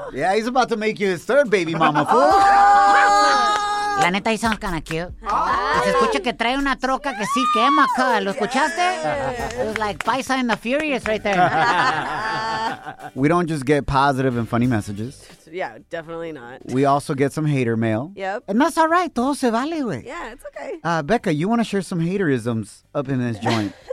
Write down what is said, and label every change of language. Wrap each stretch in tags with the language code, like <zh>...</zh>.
<en>Yeah, he's about to make you his third baby mama, fool. Oh.</en> <es>La neta,</es> <en>he sounds kinda cute. Oh.</en> <es>Se escucha que trae una troca que sí quema, acá. ¿Lo escuchaste?</es> <en>Yeah. It was like Paisa and the Furious right there. We don't just get positive and funny messages. Yeah, definitely not. We also get some hater mail. Yep. And that's all right.</en> <es>Todo se vale, güey.</es> <en>Yeah, it's okay. Becca, you want to share some haterisms up in this joint.</en>